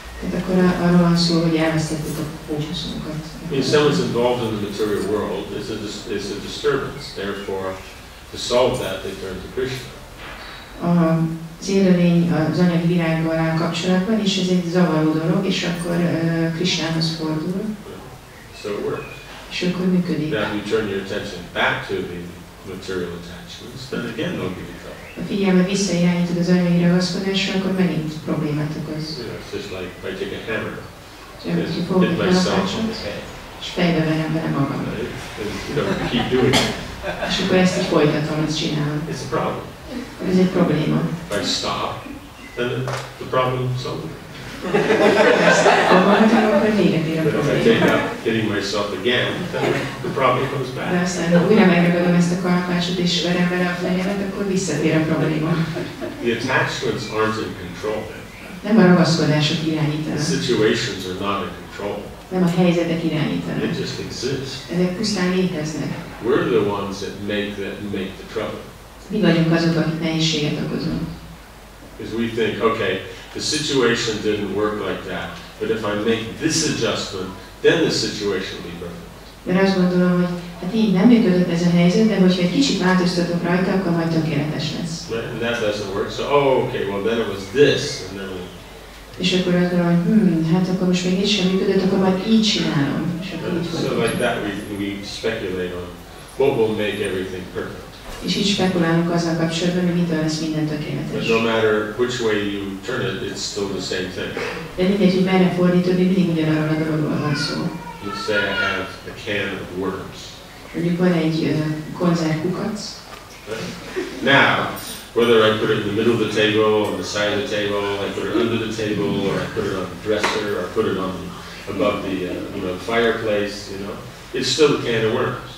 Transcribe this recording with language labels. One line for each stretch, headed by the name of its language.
Hungarian: Tehát akkor arról van szó, hogy elvesztettük a fókuszunkat.
English: If someone's involved in the material world, it's a disturbance. Therefore, to solve that, they turn to Krishna.
Hungarian: Az élőlény az anyagi világgal áll kapcsolatban, és ez egy zavaró dolog, és akkor Krishnához fordul.
English: So it works.
Hungarian: És akkor működik.
English: Now you turn your attention back to the material attachments, then again they'll give you trouble.
Hungarian: A figyelme visszairányítod az anyagi ragaszkodásra, akkor megint problémát okoz.
English: It's just like if I take a hammer, hit myself on the head.
Hungarian: És fejbe verem vele magam.
English: Keep doing it.
Hungarian: És akkor ezt így folytatom, ezt csinálom.
English: It's a problem.
Hungarian: Ez egy probléma.
English: If I stop, then the problem is solved. If I take up hitting myself again, then the problem comes back.
Hungarian: De aztán újra megragadom ezt a kalapácsot és verem vele a fejemet, akkor visszatér a probléma.
English: The attachments aren't in control.
Hungarian: Nem a ragaszkodások irányítanak.
English: The situations are not in control.
Hungarian: Nem a helyzetek irányítanak.
English: They just exist.
Hungarian: Ezek pusztán léteznek.
English: We're the ones that make the trouble.
Hungarian: Mi vagyunk azok, akik nehézséget okozunk.
English: Because we think, okay, the situation didn't work like that, but if I make this adjustment, then the situation will be perfect.
Hungarian: De azt gondolom, hogy hát így nem működött ez a helyzet, de hogyha egy kicsit változtatok rajta, akkor majd tökéletes lesz.
English: And that doesn't work, so oh, okay, well then it was this, and then we...
Hungarian: És akkor azt gondolom, hogy hát akkor most még így sem működött, akkor majd így csinálom.
English: So like that we speculate on what will make everything perfect.
Hungarian: És így spekulálunk azzal kapcsolatban, hogy mitől lesz minden tökéletes.
English: No matter which way you turn it, it's still the same thing.
Hungarian: De mindegy, hogy merre fordítod, mindig ugyanarról a dologról van szó.
English: Let's say I have a can of worms.
Hungarian: Mondjuk van egy konzervkukac.
English: Now, whether I put it in the middle of the table, on the side of the table, I put it under the table, or I put it on the dresser, or I put it on the, above the fireplace, you know, it's still a can of worms.